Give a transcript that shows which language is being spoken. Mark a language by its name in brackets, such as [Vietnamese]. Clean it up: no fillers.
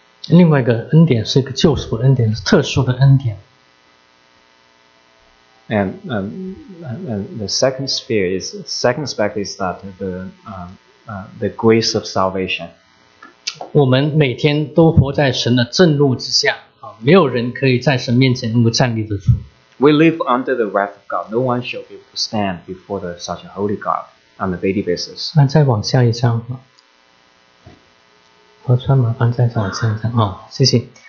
[Chinese] 另外一个恩典是一个救赎的恩典，是特殊的恩典。 [English] And the second sphere is second aspect is that the grace of salvation. [Chinese] 我们每天都活在神的震怒之下，没有人可以在神面前能够站立得住。 [English] We live under the wrath of God. No one shall be able to stand before the such a holy God on a daily basis. [Chinese] 那再往下一张，何川麻烦再往下一张啊，谢谢。